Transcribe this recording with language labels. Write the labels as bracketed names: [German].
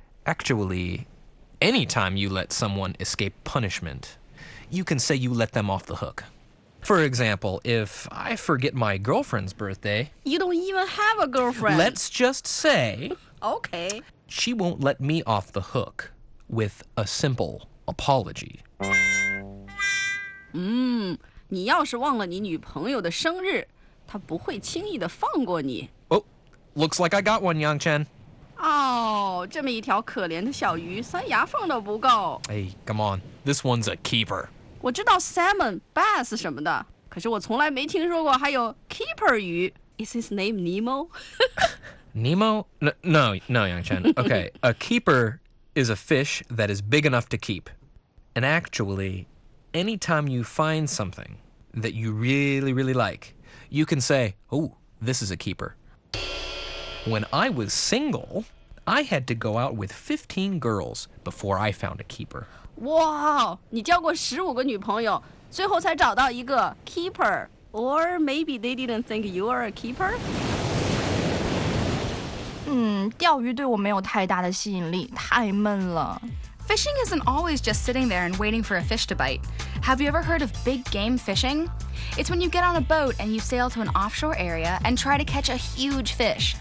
[English] Actually, any time you let someone escape punishment, you can say you let them off the hook. For example, if I forget my girlfriend's birthday... You don't even have a girlfriend. Let's just say... Okay. She won't let me off the hook with a simple apology. [Chinese] 你要是忘了你女朋友的生日，她不会轻易地放过你。 [English] Oh, looks like I got one, Yongchen. [Chinese] 这么一条可怜的小鱼，塞牙缝都不够。 [English] Hey, come on, this one's a keeper. [Chinese] 我知道 salmon, bass 什么的，可是我从来没听说过还有 keeper 鱼。 [English] Is his name Nemo? Nemo? No, Yongchen. Okay, a keeper is a fish that is big enough to keep. And actually, anytime you find something that you really, really like, you can say, oh, this is a keeper. When I was single, I had to go out with 15 girls before I found a keeper. [Chinese] Wow, 你交过15个女朋友，最后才找到一个 keeper. [English] Or maybe they didn't think you are a keeper? [Chinese] 钓鱼对我没有太大的吸引力，太闷了。 [English] Fishing isn't always just sitting there and waiting for a fish to bite. Have you ever heard of big game fishing? It's when you get on a boat and you sail to an offshore area and try to catch a huge fish.